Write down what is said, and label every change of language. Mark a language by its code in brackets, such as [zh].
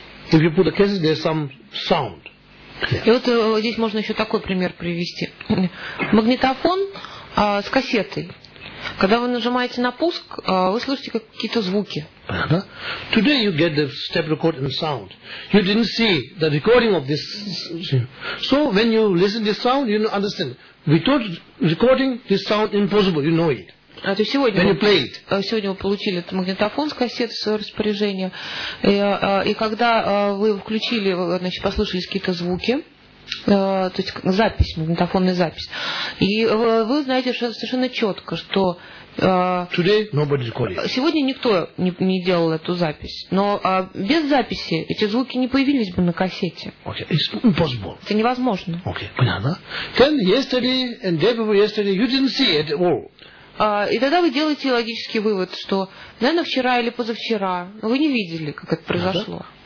[en] If you put the cases, there's some sound. [ru] Yeah. И вот здесь можно еще такой пример привести. Магнитофон с кассетой. Когда вы нажимаете на пуск, вы слышите какие-то звуки. [en] Today you get the tape record and sound. You didn't see the recording of this. So when you listen this sound, you understand. Without recording this sound, impossible. You know it. [ru] А то сегодня вы получили этот магнитофон с кассеты в свое распоряжение. И когда вы включили, значит, послышали какие-то звуки, то есть запись, магнитофонная запись, и вы знаете совершенно четко, что сегодня никто не делал эту запись. Но без записи эти звуки не появились бы на кассете. [en] Okay. It's impossible. [ru] Это невозможно. Окей, okay. Понятно. [en] Then yesterday and day before yesterday you didn't see it at all. [ru] И тогда вы делаете логический вывод, что, наверное, вчера или позавчера вы не видели, как это произошло.